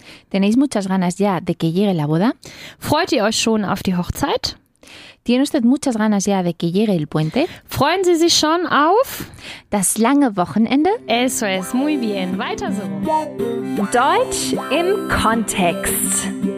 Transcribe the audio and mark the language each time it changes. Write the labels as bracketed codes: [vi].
[es] ¿Tenéis muchas ganas ya de que llegue la boda? [de] ¿Freut ihr euch schon auf die Hochzeit? [es] ¿Tiene usted muchas ganas ya de que llegue el puente? [de] ¿Freuen Sie sich schon auf das lange Wochenende? [es] Eso es, muy bien. [de] Weiter so. Deutsch im Kontext.